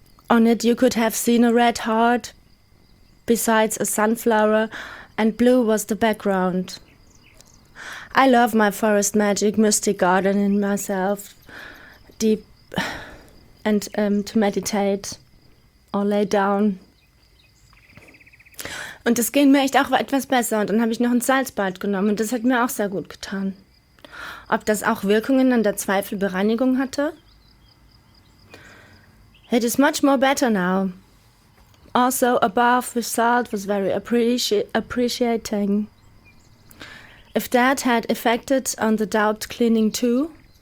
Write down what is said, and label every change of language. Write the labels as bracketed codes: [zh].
[en] On it you could have seen a red heart, besides a sunflower, and blue was the background. I love my forest magic mystic garden in myself, deep, and to meditate or lay down. [de] Und das ging mir echt auch etwas besser. Und dann habe ich noch ein Salzbad genommen. Und das hat mir auch sehr gut getan. Ob das auch Wirkungen an der Zweifelbereinigung hatte? [en] It is much more better now. Also, a bath with salt was very appreciating. If that had affected on the doubt cleaning too.